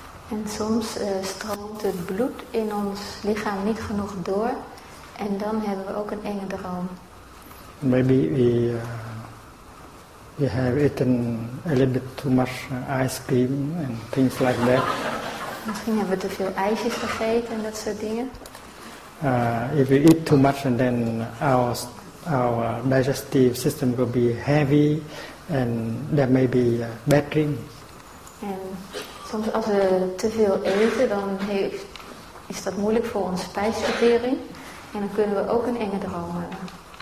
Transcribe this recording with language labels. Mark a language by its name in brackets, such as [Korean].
[Dutch] En soms stroomt het bloed in ons lichaam niet genoeg door en dan hebben we ook een enge droom. [English] Maybe we have eaten a little bit too much ice cream and things like that. [Dutch] Misschien hebben we te veel ijsjes gegeten en dat soort dingen. [English] If we eat too much and then our digestive system will be heavy and there may be bad dreams. [Dutch] En soms als we te veel eten, dan is dat moeilijk voor onze spijsvertering en dan kunnen we ook een enge droom hebben.